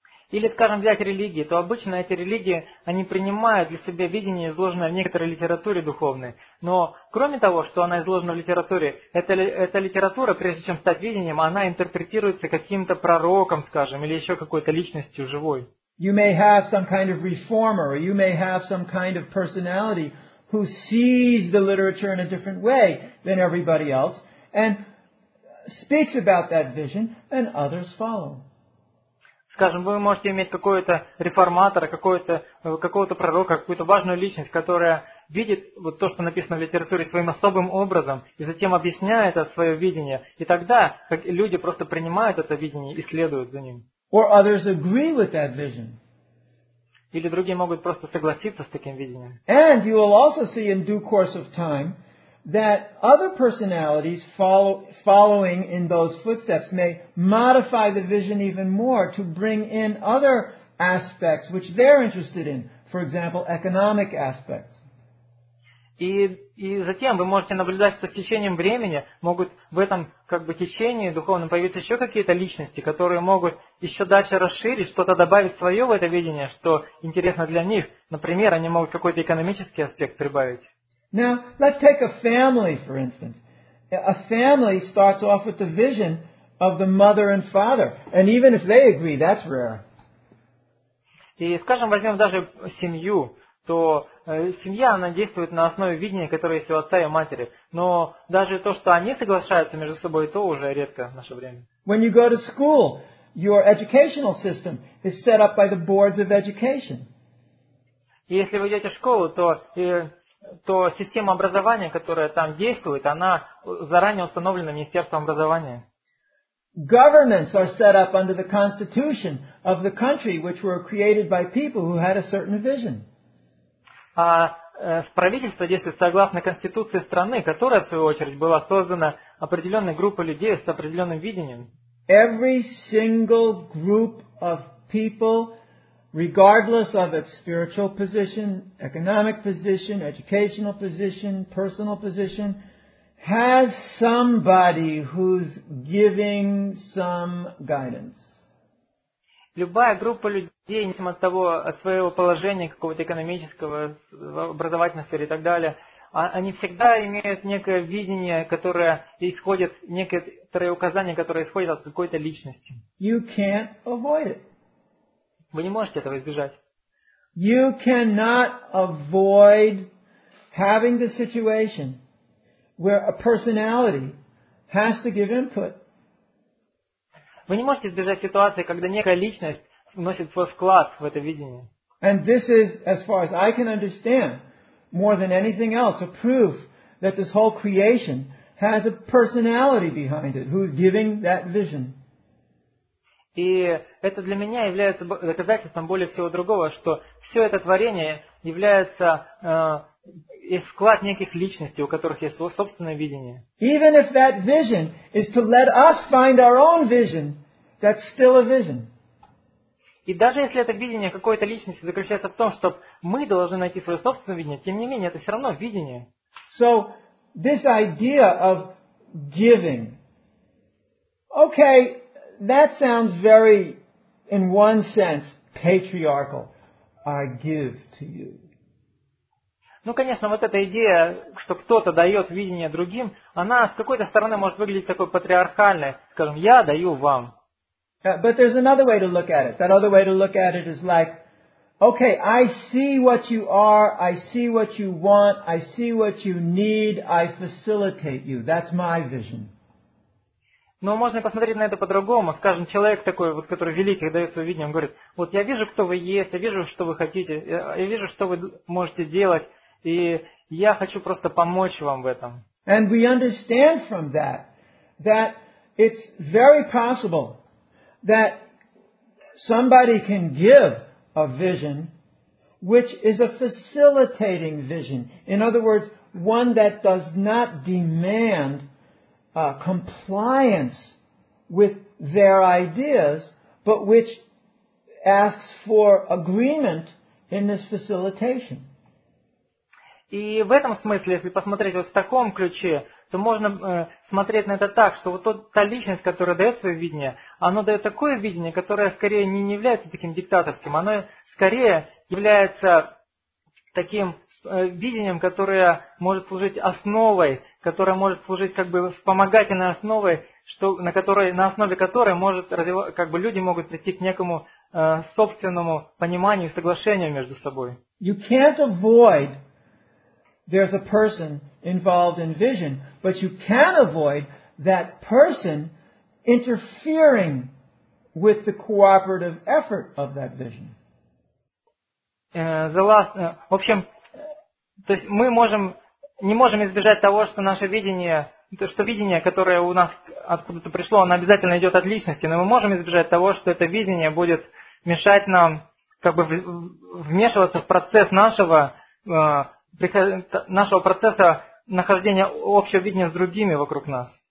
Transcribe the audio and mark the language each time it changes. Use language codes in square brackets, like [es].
[ru] Или, скажем, взять религии, то обычно эти религии, они принимают для себя видение, изложенное в некоторой литературе духовной. Но кроме того, что она изложена в литературе, эта литература, прежде чем стать видением, она интерпретируется каким-то пророком, скажем, или еще какой-то личностью живой. [en] You may have some kind of reformer, or you may have some kind of personality who sees the literature in a different way than everybody else and speaks about that vision and others follow. [ru] Скажем, вы можете иметь какого-то реформатора, какого-то пророка, какую-то важную личность, которая видит вот то, что написано в литературе, своим особым образом, и затем объясняет это свое видение. И тогда люди просто принимают это видение и следуют за ним. [en] Or others agree with that vision. [ru] Или другие могут просто согласиться с таким видением. [en] And you will also see in due course of time that other personalities following in those footsteps may modify the vision even more to bring in other aspects which they're interested in, for example, economic aspects. [ru] И затем вы можете наблюдать, что с течением времени могут в этом как бы течении духовном появиться еще какие-то личности, которые могут еще дальше расширить, что-то добавить свое в это видение, что интересно для них. Например, они могут какой-то экономический аспект прибавить. [en] Now, let's take a family, for instance. A family starts off with the vision of the mother and father. And even if they agree, that's rare. [ru] И, скажем, возьмем даже семью, то семья, она действует на основе видения, которое есть у отца и матери. Но даже то, что они соглашаются между собой, то уже редко в наше время. [en] When you go to school, your educational system is set up by the boards of education. [ru] И если вы идете в школу, то система образования, которая там действует, она заранее установлена Министерством образования. [en] Governments are set up under the constitution of the country, which were created by people who had a certain vision. [ru] А правительство действует согласно конституции страны, которая, в свою очередь, была создана определенной группой людей с определенным видением. [en] Every single group of people, regardless of its spiritual position, economic position, educational position, personal position, has somebody who's giving some guidance. [ru] Любая группа людей, независимо от того, от своего положения, какого-то экономического, образовательной сферы и так далее, они всегда имеют некое видение, которое исходит, некоторые указания, которые исходят от какой-то личности. [en] You can't avoid it. [ru] Вы не можете этого избежать. [en] You cannot avoid having the situation where a personality has to give input. [ru] Вы не можете избежать ситуации, когда некая личность вносит свой вклад в это видение. [en] And this is, as far as I can understand, more than anything else, a proof that this whole creation has a personality behind it, who's giving that vision. [ru] И это для меня является доказательством более всего другого, что все это творение является есть вклад неких личностей, у которых есть свое собственное видение. [en] Even if that vision is to let us find our own vision, that's still a vision. [ru] И даже если это видение какой-то личности заключается в том, что мы должны найти свое собственное видение, тем не менее, это все равно видение. [en] So, this idea of giving. Okay, that sounds very, in one sense, patriarchal. I give to you. [ru] Ну, конечно, вот эта идея, что кто-то дает видение другим, она с какой-то стороны может выглядеть такой патриархальной. Скажем, я даю вам. [en] But there's another way to look at it. That other way to look at it is like, okay, I see what you are, I see what you want, I see what you need, I facilitate you. That's my vision. [ru] Но можно посмотреть на это по-другому. Скажем, человек такой, вот, который великий, дает свое видение, он говорит, вот я вижу, кто вы есть, я вижу, что вы хотите, я вижу, что вы можете делать, и я хочу просто помочь вам в этом. [en] And we understand from that, that it's very possible that somebody can give a vision which is a facilitating vision. In other words, one that does not demand compliance with their ideas, but which asks for agreement in this facilitation. [ru] И в этом смысле, если посмотреть вот в таком ключе, то можно смотреть на это так, что вот та личность, которая дает свое видение, оно дает такое видение, которое скорее не является таким диктаторским, оно скорее является таким видением, которое может служить основой, которое может служить как бы вспомогательной основой, что, на, которой, на основе которой может, как бы люди могут прийти к некому собственному пониманию и соглашению между собой. [en] You can't avoid there's a person involved in vision, but you can avoid that person interfering with the cooperative effort of that vision. [ru] В общем, то есть мы можем, не можем избежать того, что наше видение, то, что видение, которое у нас откуда-то пришло, оно обязательно идет от личности, но мы можем избежать того, что это видение будет мешать нам как бы вмешиваться в процесс нашего нашего процесса нахождения общего видения с другими вокруг нас.